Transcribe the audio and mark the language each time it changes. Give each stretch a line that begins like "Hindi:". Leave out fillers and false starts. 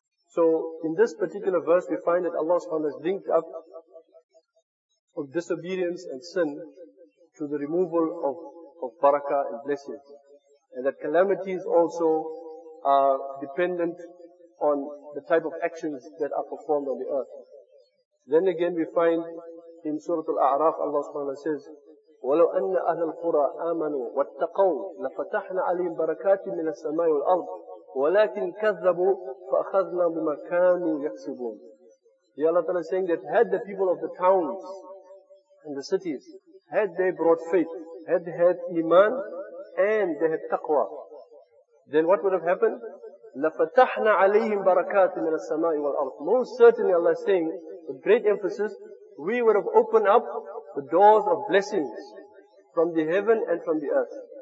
English: So in this particular verse, we find that Allah subhanahu wa ta'ala has linked up of disobedience and sin to the removal of barakah and blessings. And that calamities also are dependent on the type of actions that are performed on the earth. Then again, we find in Surah Al-A'raf, Allah subhanahu wa ta'ala says,
Arabic: وَلَوْ أَنَّ أَهْلَ الْقُرَىٰ آمَنُوا وَاتَّقَوْا لَفَتَحْنَا عَلَيْهِمْ بَرَكَاتٍ مِنَ السَّمَاءِ وَالْأَرْضِ وَلَكِنْ كَذَّبُوا فَأَخَذْنَا بِمَا كَانُوا يَكْسِبُونَ.
English: Allah Ta'ala is saying that had the people of the towns and the cities, had they brought faith, had they had iman, and they had taqwa, then what would have happened?
Arabic: لَفَتَحْنَا عَلَيْهِمْ بَرَكَاتٍ مِنَ السَّمَاءِ وَالْأَرْضِ.
English: Most certainly Allah is saying, with great emphasis, we would have opened up the doors of blessings from the heaven and from the earth.